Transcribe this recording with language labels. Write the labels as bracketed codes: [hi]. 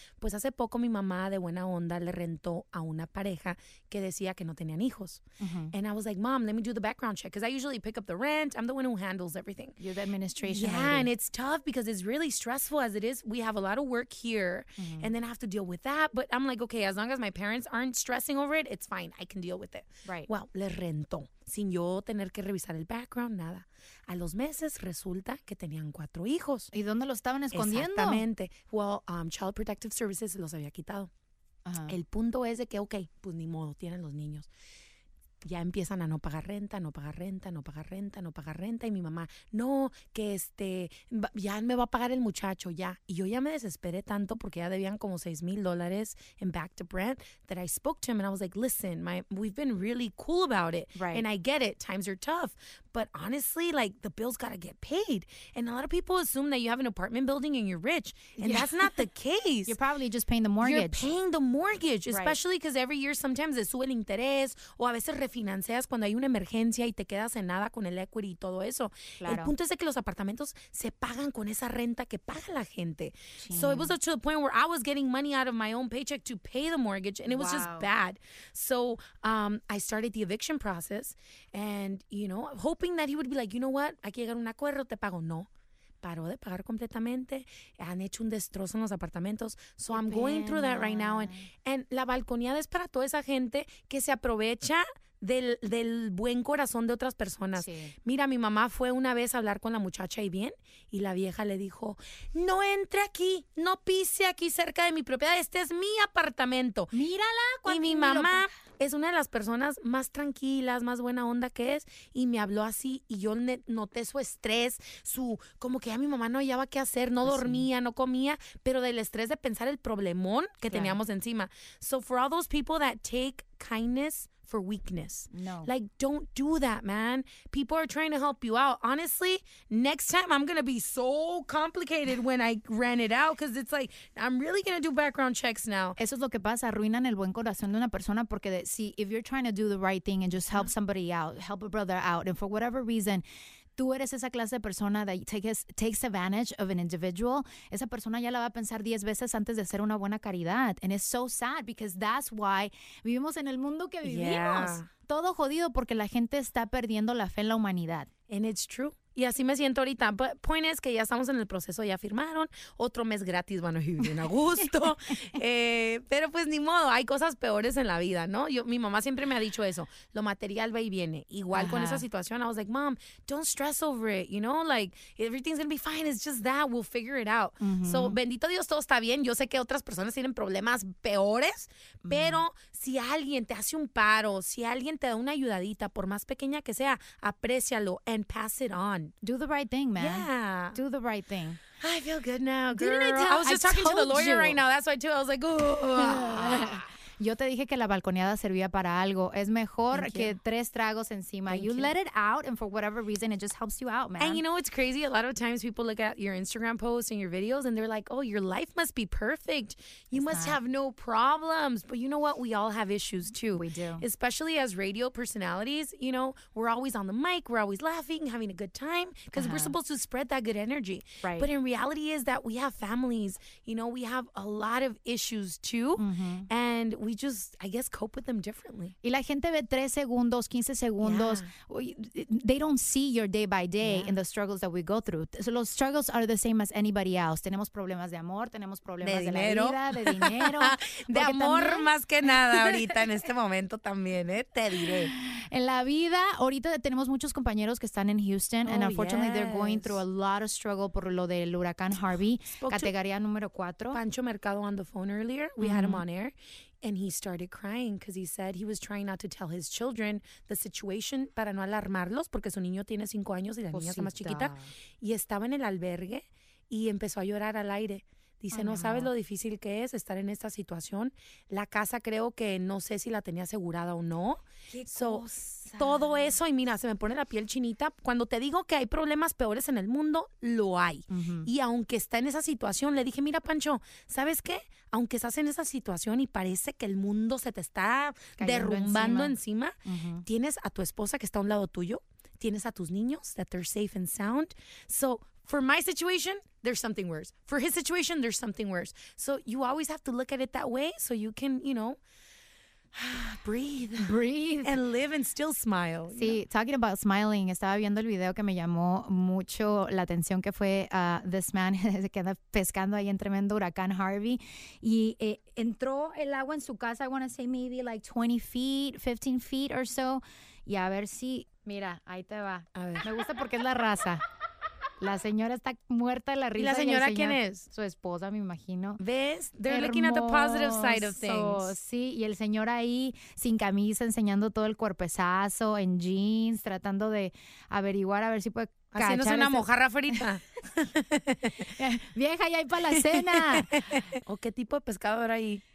[es] Pues hace poco mi mamá de buena onda le rentó a una pareja que decía que no tenían hijos. Mm-hmm. [en] And I was like, Mom, let me do the background check because I usually pick up the rent. I'm the one who handles everything. You're the administration. Yeah, lady. And it's tough because it's really stressful as it is. We have a lot of work here, and then I have to deal with that. But I'm like, okay, as long as my parents aren't stressing over it, it's fine. I can deal with it. Right. [es] Well, le rentó. Sin yo tener que revisar el background, nada. A los meses resulta que tenían 4 hijos. ¿Y dónde los estaban escondiendo? Exactamente. [en] Well, Child Protective Services [es] los había quitado. Uh-huh. El punto es de que, ok, pues ni modo, tienen los niños. Ya empiezan a no pagar renta, no pagar renta, no pagar renta, no pagar renta. Y mi mamá, no, que ya me va a pagar el muchacho, ya. Y yo ya me desesperé tanto porque ya debían como $6,000 [en] en back to Brent that I spoke to him and I was like, listen, we've been really cool about it. Right. And I get it. Times are tough. But honestly, like, the bills got to get paid. And a lot of people assume that you have an apartment building and you're rich. And that's not the case. You're probably just paying the mortgage. You're paying the mortgage, especially because every year sometimes it [es] sube el interés o a veces financias cuando hay una emergencia y te quedas en nada con el equity y todo eso. Claro. El punto es de que los apartamentos se pagan con esa renta que paga la gente. Sí. [en] So it was up to the point where I was getting money out of my own paycheck to pay the mortgage, and it was just bad. So I started the eviction process, and you know, hoping that he would be like, you know what, [es] aquí llega un acuerdo, te pago. No. Paró de pagar completamente. Han hecho un destrozo en los apartamentos. [en] So I'm going through that right now. [es] And la balconeada es para toda esa gente que se aprovecha del buen corazón de otras personas. Sí. Mira, mi mamá fue una vez a hablar con la muchacha y bien, y la vieja le dijo, no entre aquí, no pise aquí cerca de mi propiedad. Este es mi apartamento. Mírala. Y mi mamá es una de las personas más tranquilas, más buena onda que es, y me habló así, y yo noté su estrés, su, como que ya mi mamá no hallaba qué hacer, no dormía, no comía, pero del estrés de pensar el problemón que teníamos encima. [en] So for all those people that take kindness for weakness. No. Like, don't do that, man. People are trying to help you out. Honestly, next time I'm going to be so complicated when I rant it out, because it's like, I'm really going to do background checks now. [es] Eso es lo que pasa. Arruinan el buen corazón de una persona porque, [en] see, if you're trying to do the right thing and just help somebody out, help a brother out, and for whatever reason, [es] tú eres esa clase de persona [en] that takes advantage of an individual, [es] esa persona ya la va a pensar 10 veces antes de hacer una buena caridad. [en] And it's so sad because that's why [es] vivimos en el mundo que vivimos. [en] Yeah. [es] Todo jodido porque la gente está perdiendo la fe en la humanidad. [en] And it's true. [es] Y así me siento ahorita. [en] But point is [es] que ya estamos en el proceso, ya firmaron. Otro mes gratis van a vivir en agosto. pero pues ni modo, hay cosas peores en la vida, ¿no? Yo, mi mamá siempre me ha dicho eso. Lo material va y viene. Igual con esa situación, [en] I was like, Mom, don't stress over it. You know, like, everything's going to be fine. It's just that. We'll figure it out. Mm-hmm. [es] So, bendito Dios, todo está bien. Yo sé que otras personas tienen problemas peores. Pero si alguien te hace un paro, si alguien te da una ayudadita, por más pequeña que sea, aprécialo [en] and pass it on. Do the right thing, man. Yeah. Do the right thing. I feel good now, girl. Didn't I tell you? I was just talking to the lawyer right now. That's why, too. I was like, ooh. [es] Yo te dije que la balconeada servía para algo. Es mejor que tres tragos encima. [en] Thank you. You let it out, and for whatever reason, it just helps you out, man. And you know, it's crazy. A lot of times people look at your Instagram posts and your videos, and they're like, oh, your life must be perfect. You must have no problems. But you know what? We all have issues, too. We do. Especially as radio personalities, you know, we're always on the mic. We're always laughing, having a good time, because we're supposed to spread that good energy. Right. But in reality is that we have families. You know, we have a lot of issues, too. Mm-hmm. And we just, I guess, cope with them differently. [es] Y la gente ve 3 segundos, 15 segundos. [en] Yeah. They don't see your day by day in the struggles that we go through. So los struggles are the same as anybody else. [es] Tenemos problemas de amor, tenemos problemas de la vida, de dinero. De amor también, más que nada ahorita en este momento también, te diré. En la vida, ahorita tenemos muchos compañeros que están en Houston, [en] and unfortunately they're going through a lot of struggle [es] por lo del huracán Harvey, categoría número 4. [en] Pancho Mercado on the phone earlier, we had him on air, and he started crying because he said he was trying not to tell his children the situation [es] para no alarmarlos, porque su niño tiene 5 años y la niña está más chiquita, y estaba en el albergue y empezó a llorar al aire. Dice, no sabes lo difícil que es estar en esta situación. La casa creo que no sé si la tenía asegurada o no. Todo eso, y mira, se me pone la piel chinita. Cuando te digo que hay problemas peores en el mundo, lo hay. Y aunque está en esa situación, le dije, mira, Pancho, ¿sabes qué? Aunque estás en esa situación y parece que el mundo se te está derrumbando encima, tienes a tu esposa que está a un lado tuyo, tienes a tus niños, [en] that they're safe and sound. So, for my situation, there's something worse. For his situation, there's something worse. So you always have to look at it that way so you can, you know, breathe. Breathe. And live and still smile. [es] Sí, [en] you know? Talking about smiling, [es] estaba viendo el video que me llamó mucho la atención, que fue [en] this man [es] se queda pescando ahí en tremendo huracán Harvey. Y entró el agua en su casa, [en] I want to say maybe like 20 feet, 15 feet or so. [es] Y a ver si, mira, ahí te va. A ver. Me gusta porque es la raza. La señora está muerta de la risa. ¿Y la señora quién es? Su esposa, me imagino. ¿Ves? [en] They're looking at the positive side of things. [es] Sí, y el señor ahí sin camisa, enseñando todo el cuerpezazo, en jeans, tratando de averiguar a ver si puede cachar. Haciéndose una mojarra frita. Vieja, ya hay para la cena. ¿O qué tipo de pescador ahí?